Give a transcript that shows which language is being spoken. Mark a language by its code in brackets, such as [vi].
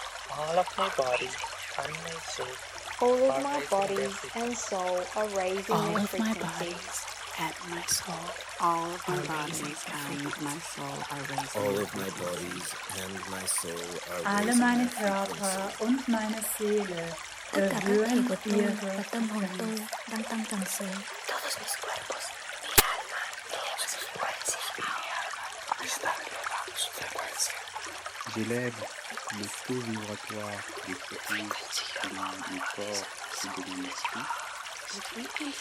[en] All of my body and my soul. All of my body and soul are raising the frequency. At my soul, all of my bodies and my soul are raising. All of my bodies and my soul are raising. [de] Alle meine Körper und meine Seele gehören dir. [es] Todos mis cuerpos, mi alma, eleva su frecuencia. Está elevando su frecuencia. [fr] J'élève le taux vibratoire des fréquences de mon corps et de mon esprit.